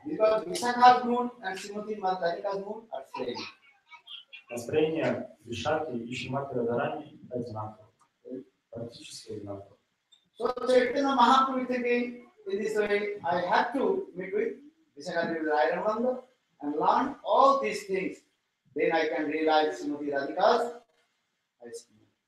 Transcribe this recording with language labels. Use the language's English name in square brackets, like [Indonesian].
[English] Because Visakha's moon and Srimati Radhika's moon are same. [Russian] Настроение Вишакхи и Шримати Радхарани одинаково. Практически одинаково. [English] So Chaitanya Mahaprabhu thinking in this way, I have to meet with Visakhadevi Rai Ramananda and learn all these things. Then I can realize Srimati Radhika's highest moon.